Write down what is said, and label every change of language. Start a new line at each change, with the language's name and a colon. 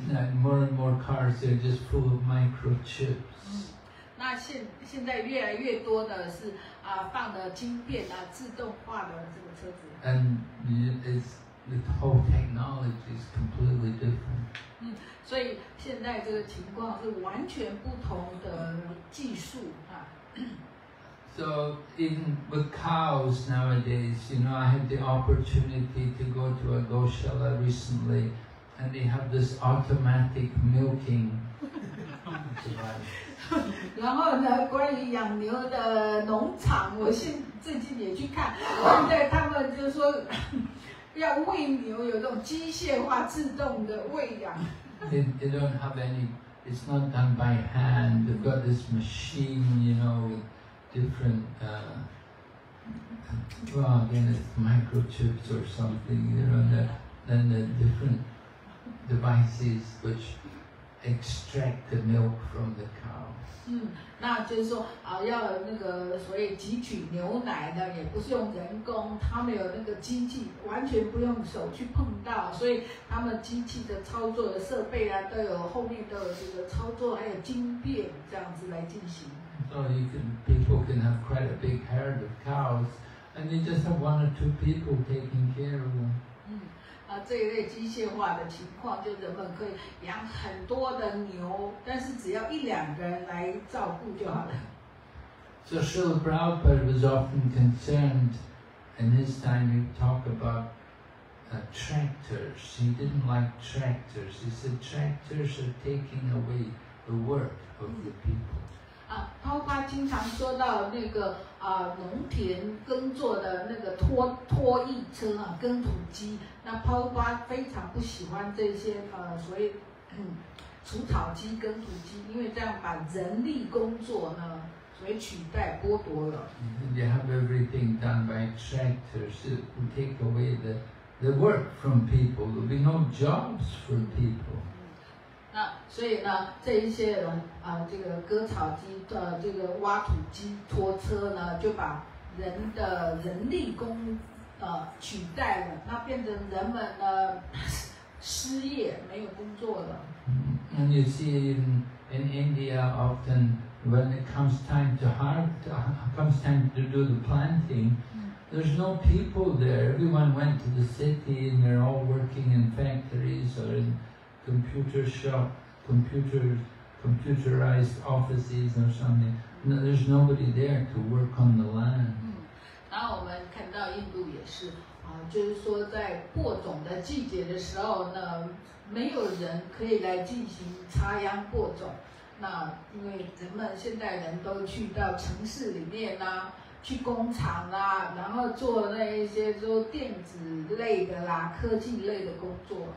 English: But nowadays, more and more cars are just full of microchips.
Chinese: 那现在越来越多的是放的晶片啊，自动化的这个车子。
English: And it's the whole technology is completely different.
Chinese: 所以现在这个情况是完全不同的技术啊。
English: So even with cows nowadays, you know, I had the opportunity to go to a goshala recently, and they have this automatic milking device.
Chinese: 然后呢，关于养牛的农场，我最近也去看，现在他们就说，要喂牛有这种机械化自动的喂养。
English: They don't have any. It's not done by hand. They've got this machine, you know, with different. Well, again, it's microchips or something. You know, that then the different devices which extract the milk from the cow.
Chinese: 那就是说啊，要有那个所谓汲取牛奶的，也不是用人工，他们有那个机器，完全不用手去碰到，所以他们机器的操作的设备啊，都有后面都有这个操作，还有晶片这样子来进行。
English: So you can, people can have quite a big herd of cows, and they just have one or two people taking care of them.
Chinese: 啊，这一类机械化的情况，就人们可以养很多的牛，但是只要一两个人来照顾就好了。
English: So Srila Prabhupada was often concerned in his time to talk about tractors. He didn't like tractors. He said tractors are taking away the work of the people.
Chinese: 啊，Prabhupada经常说到那个啊，农田耕作的那个拖曳车啊，耕土机。那Prabhupada非常不喜欢这些所谓除草机跟土机，因为这样把人力工作呢所以取代剥夺了。
English: They have everything done by tractors to take away the work from people. There'll be no jobs for people.
Chinese: 那所以呢，这一些人啊，这个割草机的这个挖土机拖车呢，就把人的人力工取代了，那变成人们失业，没有工作了。
English: And you see in India, often when it comes time to harvest, comes time to do the planting, there's no people there. Everyone went to the city, and they're all working in factories or in computer shop, computerized offices or something. No, there's nobody there to work on the land.
Chinese: 然后我们看到印度也是啊，就是说在播种的季节的时候呢，没有人可以来进行插秧播种。那因为人们现代人都去到城市里面啊，去工厂啦、啊，然后做那一些做电子类的啦、科技类的工作。